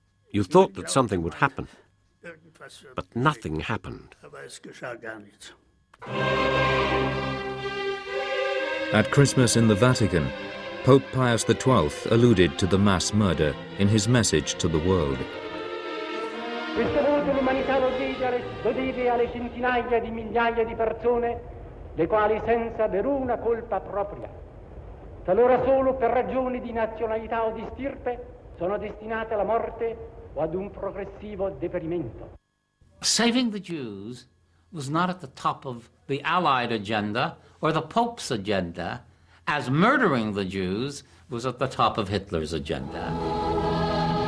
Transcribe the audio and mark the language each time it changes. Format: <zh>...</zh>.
<en>You thought that something would happen, but nothing happened." At Christmas in the Vatican, Pope Pius XII alluded to the mass murder in his message to the world.</en> <it>Questa volta l'umanità lo deve alle centinaia di migliaia di persone, le quali senza veruna colpa propria, talora solo per ragioni di nazionalità o di stirpe, sono destinate alla morte o ad un progressivo deperimento.</it> <en>Saving the Jews was not at the top of the Allied agenda or the Pope's agenda, as murdering the Jews was at the top of Hitler's agenda.</en>